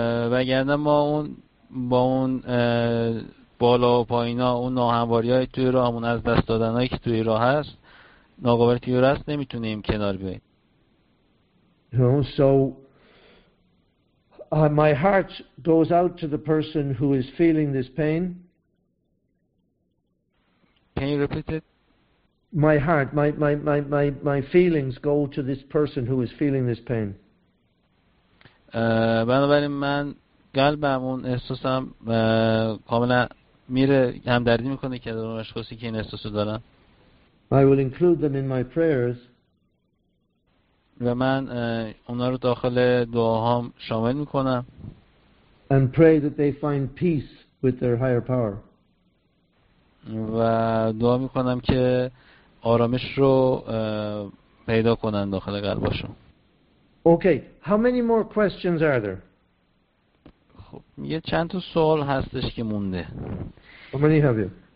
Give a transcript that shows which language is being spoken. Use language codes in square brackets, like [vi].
[fa] وگرنه ما اون با اون بالا و پایینا اون ناهمواری‌های توی راهمون از دست دادنایی که توی راه هست ناگواری توی راه هست نمیتونیم کنار بیاییم. [en] No, so my heart goes out to the person who is feeling this pain. Can you repeat it? My heart, my feelings go to this person who is feeling this pain. [fa] بنابراین من قلبم اون احساسم کاملا میره همدردی میکنه که در اون اشخاصی که این احساسو دارن. [en] I will include them in my prayers. [fa] و من اونا رو داخل دعاهام شامل میکنم. [en] And pray that they find peace with their higher power. [fa] و دعا میکنم که آرامش رو پیدا کنن داخل قلبشون. [en] Okay, how many more questions are there? [fa] خب یه چند تا سوال هستش که مونده. [en] How many have you?